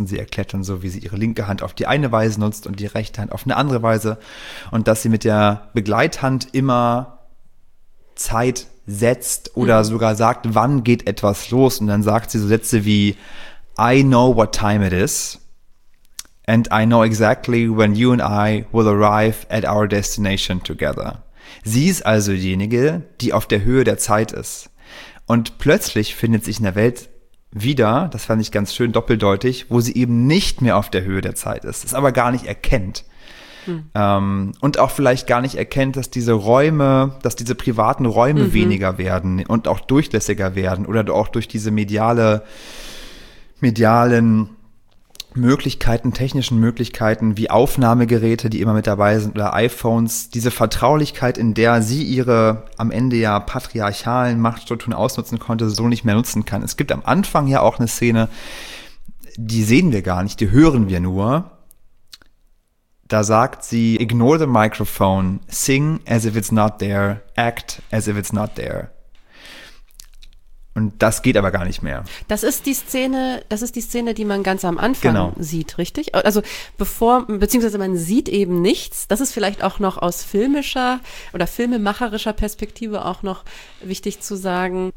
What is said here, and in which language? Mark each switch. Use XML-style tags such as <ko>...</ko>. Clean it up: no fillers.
<de>Und sie erklärt dann so, wie sie ihre linke Hand auf die eine Weise nutzt und die rechte Hand auf eine andere Weise. Und dass sie mit der Begleithand immer Zeit setzt oder sogar sagt, wann geht etwas los. Und dann sagt sie so Sätze wie,</de> <en>I know what time it is. And I know exactly when you and I will arrive at our destination together.</en> <de>Sie ist also diejenige, die auf der Höhe der Zeit ist. Und plötzlich findet sich in der Welt wieder, das fand ich ganz schön doppeldeutig, wo sie eben nicht mehr auf der Höhe der Zeit ist, es aber gar nicht erkennt. Und auch vielleicht gar nicht erkennt, dass diese Räume, dass diese privaten Räume weniger werden und auch durchlässiger werden oder auch durch diese medialen Möglichkeiten, technischen Möglichkeiten wie Aufnahmegeräte, die immer mit dabei sind oder iPhones, diese Vertraulichkeit, in der sie ihre am Ende ja patriarchalen Machtstrukturen ausnutzen konnte, so nicht mehr nutzen kann. Es gibt am Anfang ja auch eine Szene, die sehen wir gar nicht, die hören wir nur. Da sagt sie,</de> <en>ignore the microphone, sing as if it's not there, act as if it's not there.</en> <de>Und das geht aber gar nicht mehr. Das ist die Szene, die man ganz am Anfang genau. sieht, richtig? Also bevor, beziehungsweise man sieht eben nichts. Das ist vielleicht auch noch aus filmischer oder filmemacherischer Perspektive auch noch wichtig zu sagen.</de>